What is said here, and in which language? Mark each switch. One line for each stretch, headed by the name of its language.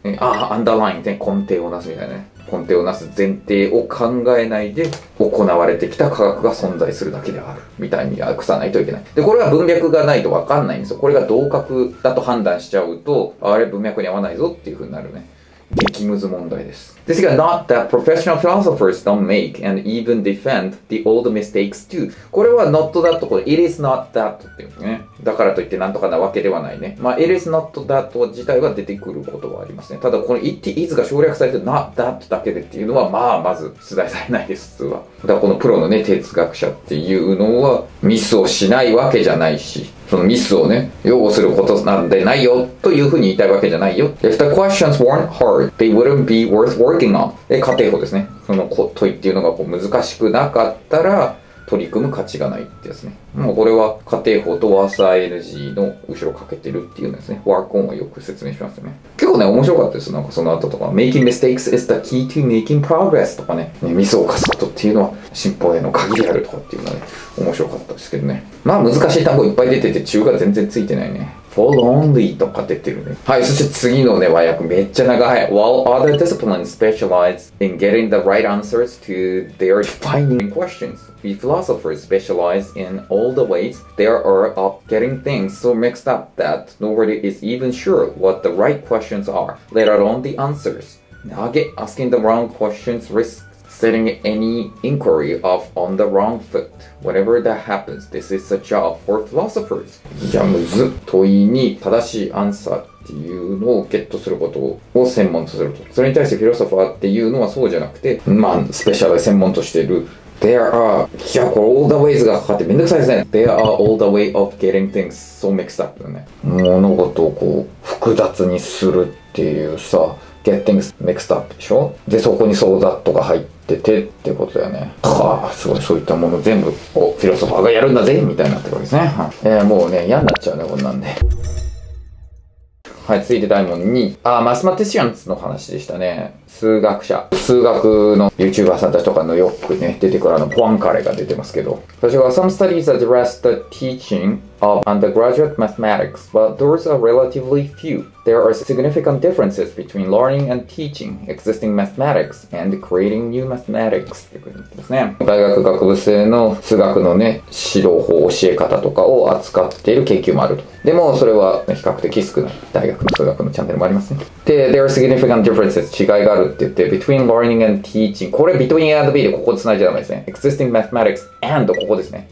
Japanese: ああアンダーラインで根底をなすみたいなね、根底をなす前提を考えないで行われてきた科学が存在するだけであるみたいに訳さないといけない。でこれは文脈がないと分かんないんですよ。これが同格だと判断しちゃうと、あれ文脈に合わないぞっていう風になるね、激ムズ問題です。ですが
English: not that professional philosophers don't make and even defend the old mistakes too。
Japanese: これは
English: not that、 it is not that
Japanese: っていうね、だからといってなんとかなわけではないね。まあ
English: it is not that
Japanese: 自体は出てくることはありますね。ただこの it is が省略されて not that だけでっていうのは、まあまず出題されないです。普通はだからこのプロのね哲学者っていうのはミスをしないわけじゃないし、そのミスをね、擁護することなんでないよ、というふうに言いたいわけじゃないよ。
English: If the questions weren't hard, they wouldn't be worth working on.
Japanese: で、仮定法ですね。その問いっていうのがこう難しくなかったら、取り組む価値がないってやつね。もうこれは仮定法とワーサー NG の後ろをかけてるっていうんですね。ワークオンはよく説明しますよね。結構ね、面白かったです。なんかその後とか、
English: Making mistakes is the key to making progress
Japanese: とか ね、ミスを犯すことっていうのは進歩への鍵であるとかっていうのはね、面白かったですけどね。まあ難しい単語いっぱい出てて、中が全然ついてないね。
English: Fall only
Japanese: とか出てるね。はい、そして次のね、和訳めっちゃ長い。
English: While other disciplines specialize in getting the right answers to their defining questions, we philosophers specialize in all the ways there are of getting things so mixed up that nobody is even sure what the right questions are, let alone the answers.
Japanese: 長い。
English: Asking the wrong questions risks Setting any inquiry off on the wrong foot. Whatever that happens, this is a job for philosophers.
Japanese: じゃあ、むず。問いに正しいアンサーっていうのをゲットすることを専門とすると。それに対してフィロソファーっていうのはそうじゃなくて、まあ、スペシャル専門としている。
English: There are,
Japanese: いや、これ
English: all the ways
Japanese: がかかってめんどくさいですね。
English: There are all the way of getting things so mixed up ね。
Japanese: 物事をこう、複雑にするっていうさ、
English: get things mixed up
Japanese: でしょ？で、そこにそうだとか入っててってことだよね。はぁ、すごい、そういったもの全部、こう、フィロソファーがやるんだぜみたいになってるわけですね。もうね、嫌になっちゃうね、こんなんで。はい、続いて第問2。あ、マスマティシアンズの話でしたね。数学者。数学の YouTuber さんたちとかのよくね、出てくるあの、ポアンカレが出てますけど。私は、
English: Some studies address the teaching of undergraduate mathematics, but those are relatively few. There are significant differences between learning and teaching existing mathematics and creating new mathematics.
Japanese: ってことですね。大学学部生の数学のね、指導法、教え方とかを扱っている研究もあると。でも、それは比較的少ない。大学の数学のチャンネルもありますね。
English: で、There are significant differences.
Japanese: 違いがあるって言って、
English: Between learning and teaching.
Japanese: これ、
English: Between A and B
Japanese: でここ繋いじゃダメですね。
English: Existing mathematics and
Japanese: ここですね。